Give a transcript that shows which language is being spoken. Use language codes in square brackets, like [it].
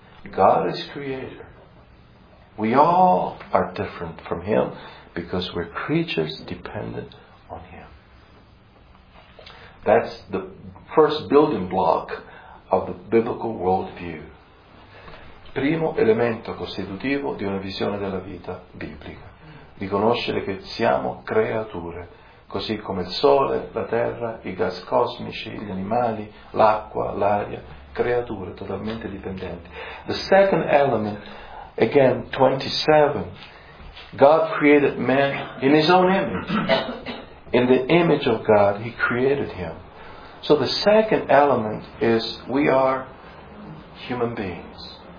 [en] God is creator. We all are different from Him because we're creatures dependent on Him. That's the first building block of the biblical worldview. [it] Primo elemento costitutivo di una visione della vita biblica, riconoscere che siamo creature, così come il sole, la terra, i gas cosmici, gli animali, l'acqua, l'aria, creature totalmente dipendenti. [en] The second element, again, 27, God created man in His own image. In the image of God, He created him. So the second element is we are human beings.